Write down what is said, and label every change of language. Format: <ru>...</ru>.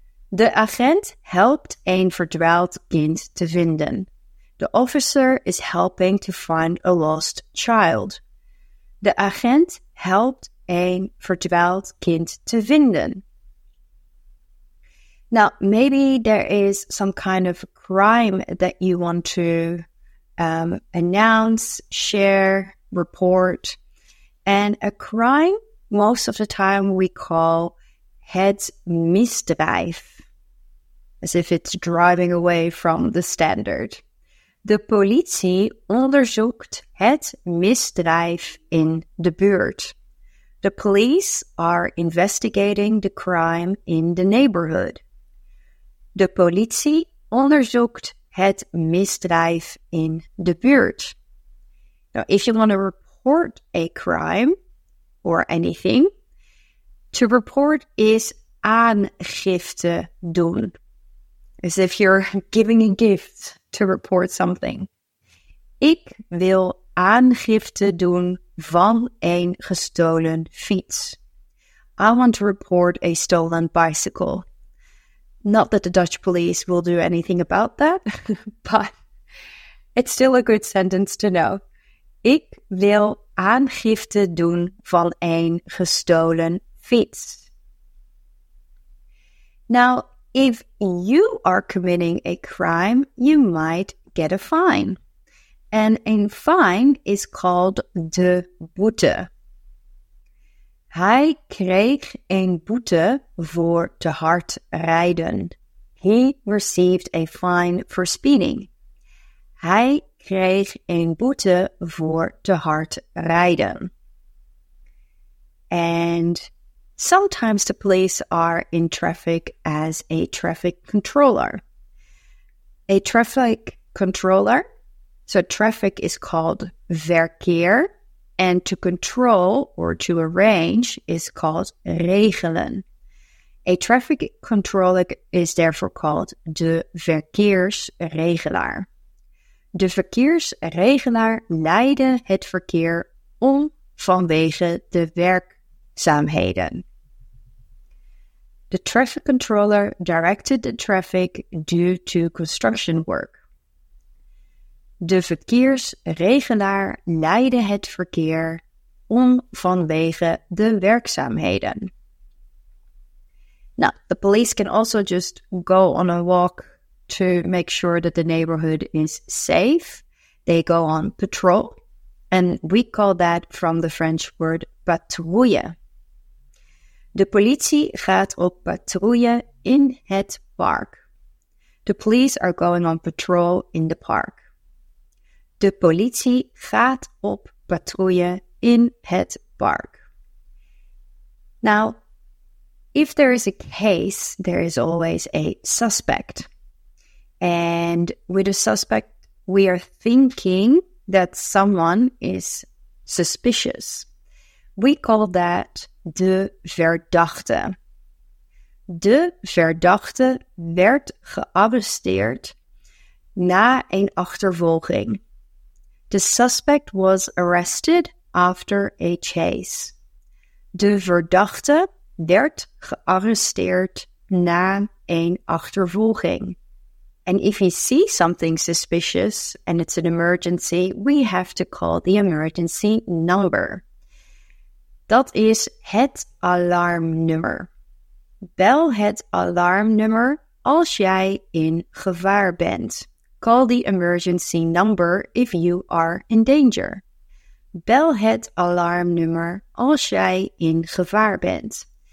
<nl>De agent helped een verdwaald kind te vinden.</nl> <en>The officer is helping to find a lost child.</en> <nl>De agent helped een verdwaald kind te vinden.</nl> <en>Now, maybe there is some kind of crime that you want to announce, share, report. And a crime, most of the time, we call het misdrijf. As if it's driving away from the standard.</en> <nl>De politie onderzoekt het misdrijf in de buurt.</nl> <en>The police are investigating the crime in the neighborhood.</en> <nl>De politie onderzoekt het misdrijf in de buurt.</nl> <en>Now, if you want to report a crime or anything, to report is aangifte doen. As if you're giving a gift to report something.</en> <nl>Ik wil aangifte doen van een gestolen fiets.</nl> <en>I want to report a stolen bicycle. Not that the Dutch police will do anything about that, but it's still a good sentence to know.</en> <nl>Ik wil aangifte doen van een gestolen fiets.</nl> <en>Now, if you are committing a crime, you might get a fine. And a fine is called de boete.</en> <nl>Hij kreeg een boete voor te hard rijden.</nl> <en>He received a fine for speeding.</en> <nl>Hij kreeg een boete voor te hard rijden.</nl> <en>And sometimes the police are in traffic as a traffic controller. A traffic controller, so traffic is called verkeer, and to control or to arrange is called regelen. A traffic controller is therefore called de verkeersregelaar.</en> <nl>De verkeersregelaar leidde het verkeer om vanwege de werkzaamheden.</nl> <en>The traffic controller directed the traffic due to construction work.</en> <nl>De verkeersregelaar leidde het verkeer om vanwege de werkzaamheden.</nl> <en>Now, the police can also just go on a walk to make sure that the neighborhood is safe. They go on patrol, and we call that from the French word patrouille.</en> <nl>De politie gaat op patrouille in het park.</nl> <en>The police are going on patrol in the park.</en> <nl>De politie gaat op patrouille in het park.</nl> <en>Now, if there is a case, there is always a suspect. And with a suspect, we are thinking that someone is suspicious. We call that de verdachte.</en> <nl>De verdachte werd gearresteerd na een achtervolging.</nl> <en>The suspect was arrested after a chase.</en> <nl>De verdachte werd gearresteerd na een achtervolging.</nl> <en>And if you see something suspicious and it's an emergency, we have to call the emergency number.</en> <nl>Dat is het alarmnummer. bel het alarmnummer als jij in gevaar bent.</nl> <en>Call the emergency number if you are in danger.</en> <nl>Bel het alarmnummer als jij in gevaar bent.</nl>